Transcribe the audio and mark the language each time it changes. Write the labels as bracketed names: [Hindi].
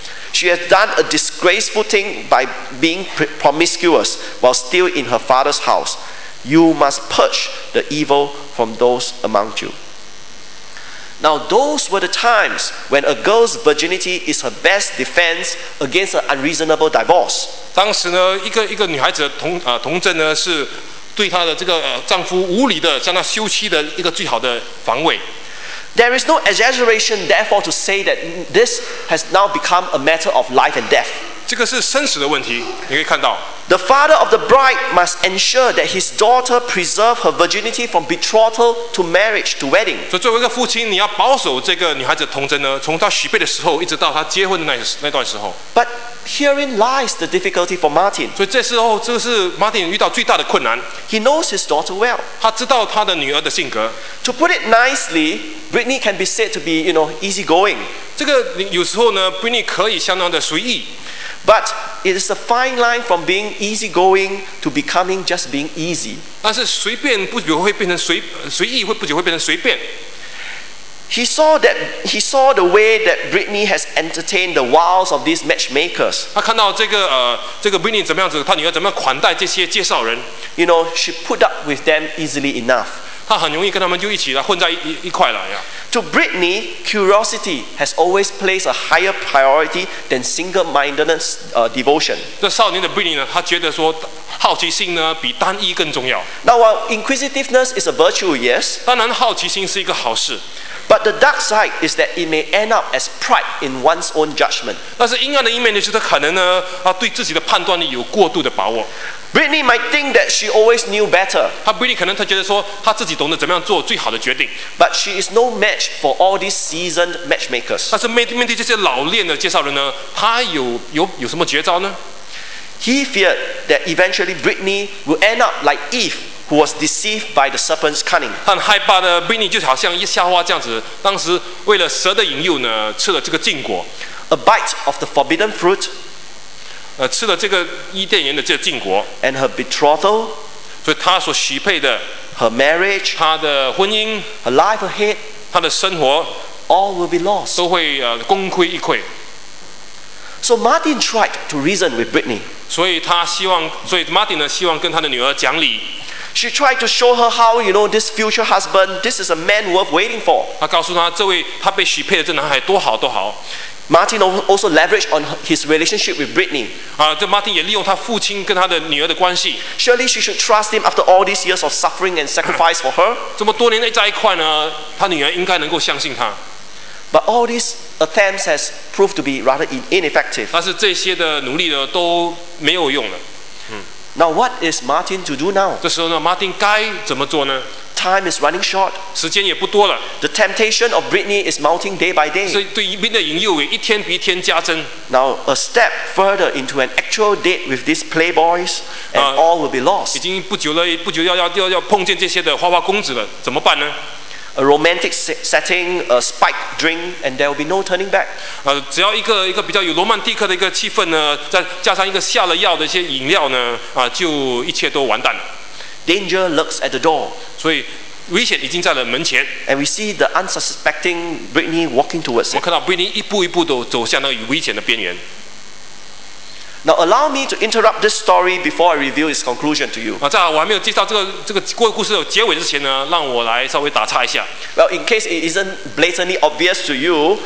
[English] She has done a disgraceful thing by being promiscuous while still in her father's house. You must purge the evil from those among you. Now those were the times when a girl's virginity is her best defense against an unreasonable divorce. [Chinese] 当时呢，一个女孩子的童贞呢是。对她的这个丈夫无理的向她休妻的一个最好的防卫。 [English] There is no exaggeration, therefore, to say that this has now become a matter of life and death. [Chinese] 这个是生死的问题，你可以看到。 [English] The father of the bride must ensure that his daughter preserve her virginity from betrothal to marriage to wedding. [Chinese] 所以作为一个父亲，你要保守这个女孩子的童贞呢，从她许配的时候一直到她结婚的那段时候。 [English] But herein lies the difficulty for Martin. [Chinese] 所以这时候，这是 Martin 遇到最大的困难。 [English] He knows his daughter well. [Chinese] 他知道他的女儿的性格。 [English] To put it nicely, Brittany can be said to be, you know, easygoing. [Chinese] 这个有时候呢 ，Brittany 可以相当的随意。 [English] But it is a fine line from being easygoing to becoming just being easy. [Chinese] 但是随便不久会变成随意，会不久会变成随便。 [English] He saw the way that Brittany has entertained the wiles of these matchmakers. [Chinese] 他看到这个 Brittany 怎么样子，他女儿怎么样款待这些介绍人。 [English] You know, she put up with them easily enough. [Chinese] 他很容易跟他们就一起混在一块了呀。 [English] To Brittany, curiosity has always placed a higher priority than single-mindedness, devotion. [Chinese] 这少年的 Brittany 呢，他觉得说，好奇心呢比单一更重要。 [English] Now, while inquisitiveness is a virtue, yes. [Chinese] 当然，好奇心是一个好事。 [English] But the dark side is that it may end up as pride in one's own judgment. [Chinese] 但是阴暗的一面呢，就是可能呢，啊，对自己的判断力有过度的把握。 [English] Brittany might think that she always knew better. [Chinese] 她 Brittany 可能她觉得说她自己懂得怎么样做最好的决定。 [English] But she is no match for all these seasoned matchmakers. [Chinese] 但是面对这些老练的介绍人呢，她有什么绝招呢 [English] ？He feared that eventually Brittany will end up like Eve, who was deceived by the serpent's cunning. [Chinese] 她很害怕呢 ，Brittany 就好像夏娃这样子，当时为了蛇的引诱呢，吃了这个禁果。 [English] A bite of the forbidden fruit. [Chinese] 吃了这个伊甸园的这个禁果 [English] ，and her betrothal， [Chinese] 所以她所许配的 [English] ，her marriage， [Chinese] 她的婚姻 [English] ，her life ahead， [Chinese] 她的生活 [English] ，all will be lost， [Chinese] 都会功亏一篑。 [English] So Martin tried to reason with Brittany， [Chinese] 所以 Martin 呢希望跟他的女儿讲理。 [English] She tried to show her how, you know, this future husband, this is a man worth waiting for。 [Chinese] 她告诉他这位她被许配的这男孩多好多好。 [English] Martin also leveraged on his relationship with Brittany. [Chinese] 这 Martin 也利用他父亲跟他的女儿的关系。 [English] Surely she should trust him after all these years of suffering and sacrifice for her. [Chinese] 这么多年在一块呢，他女儿应该能够相信他。 [English] But all these attempts has proved to be rather ineffective. [Chinese] 但是这些的努力呢都没有用了。 [English] Now what is Martin to do now? [Chinese] 这时候呢 ，Martin 该怎么做呢？ [English] Time is running short. [Chinese] 时间也不多了。 [English] The temptation of Brittany is mounting day by day. [Chinese] 所以对 Brittany 的引诱也一天比一天加增。 [English] Now a step further into an actual date with these playboys, and all will be lost. [Chinese] 已经不久了，不久要碰见这些的花花公子了，怎么办呢 [English] ？A romantic setting, a spiked drink, and there will be no turning back. [Chinese] 只要一个比较有罗曼蒂克的一个气氛呢，再加上一个下了药的一些饮料呢，就一切都完蛋了。 [English] Danger lurks at the door. [Chinese] 所以危险已经在了门前。 [English] And we see the unsuspecting Brittany walking towards it. [Chinese] 我看到 Brittany 一步一步都走向那个危险的边缘。 [English] Now allow me to interrupt this story before I reveal its conclusion to you. [Chinese] 在我还没有介绍这个故事的结尾之前呢，让我来稍微打岔一下。 [English] Well, in case it isn't blatantly obvious to you,